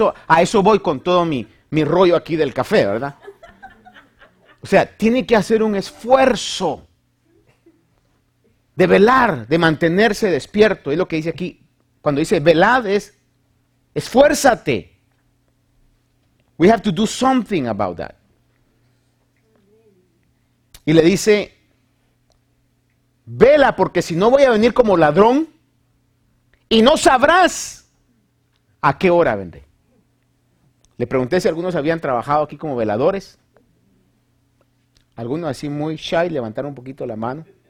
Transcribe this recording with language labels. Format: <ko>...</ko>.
<es>A eso voy con todo mi rollo aquí del café, ¿verdad? O sea, tiene que hacer un esfuerzo de velar, de mantenerse despierto. Es lo que dice aquí, cuando dice velad, es esfuérzate.</es> <en>We have to do something about that.</en> <es>Y le dice, vela, porque si no voy a venir como ladrón y no sabrás a qué hora vendré. Le pregunté si algunos habían trabajado aquí como veladores. Algunos así muy shy levantaron un poquito la mano.</es>